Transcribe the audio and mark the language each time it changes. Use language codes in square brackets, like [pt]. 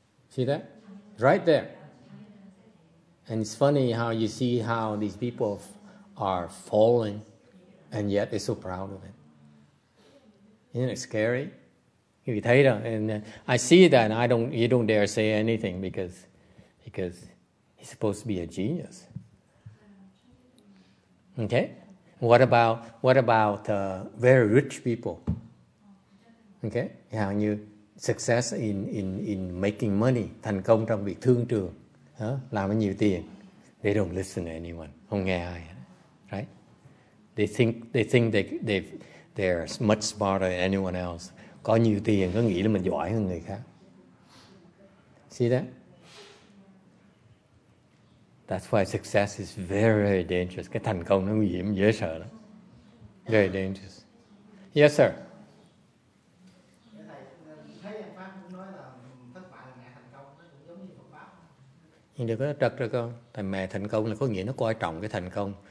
[en] See that? Right there. And it's funny how you see how these people are falling and yet they're so proud of it. Isn't it scary? You thấy đó, and I see that, and you don't dare say anything because he's supposed to be a genius. Okay, what about very rich people? [vi] Okay, how you success in making money, thành công trong việc thương trường, làm nhiều tiền. [en] They don't listen to anyone, không nghe ai, right? They think they're much smarter than anyone else. [vi] Có nhiều tiền, có nghĩ là mình giỏi hơn người khác. [en] See that? That's why success is very, very dangerous. [vi] Cái thành công nó nguy hiểm, dễ sợ lắm. Very dangerous. Yes, sir. Nhưng đừng có trật ra con. Tại mẹ thành công là có nghĩa nó quan trọng cái thành công.